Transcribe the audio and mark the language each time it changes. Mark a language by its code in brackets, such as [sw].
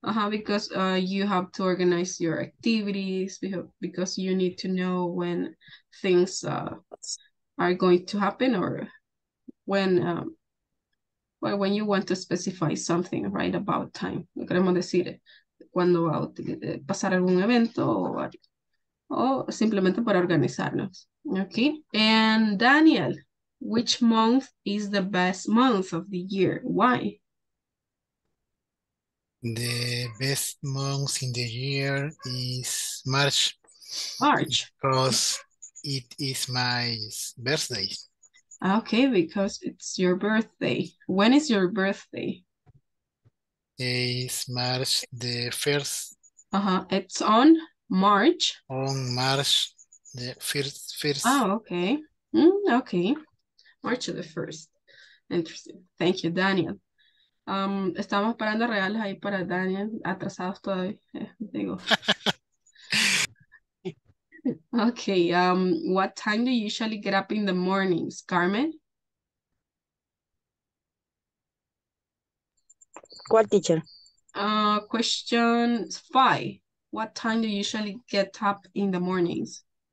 [en] Because you have to organize your activities, because you need to know when things are going to happen, or when you want to specify something right about time. [es] No queremos decir cuando va a pasar algún evento, o simplemente para organizarnos. [en] Okay. And Daniel, which month is the best month of the year? Why? The best month in the year is March. March. Because it is my birthday. Okay, because it's your birthday. When is your birthday? It's March the 1st. It's on March. On March the 1st. Oh, okay. Okay. March the 1st. Interesting. Thank you, Daniel. [es] Estamos esperando regalos ahí para Daniel, atrasados todavía, digo. [en] Okay, what time do you usually get up in the mornings, Carmen? [es] ¿Cuál, teacher? [en] Question 5. What time do you usually get up in the mornings?